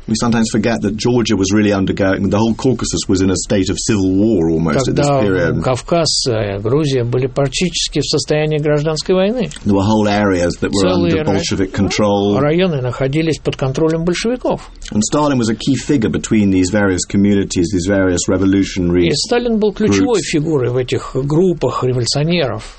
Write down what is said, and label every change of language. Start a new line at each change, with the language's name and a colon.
English: We sometimes forget that Georgia was really undergoing, the whole Caucasus was in a state of civil war almost at this period.
Russian: Кавказ, Грузия были практически в состоянии гражданской войны.
English: There were whole areas that were under Bolshevik control.
Russian: Районы находились под контролем большевиков.
English: And Stalin was a key figure between these various communities, these various revolutionary groups.
Russian: И Сталин был ключевой фигурой в этих группах революционеров.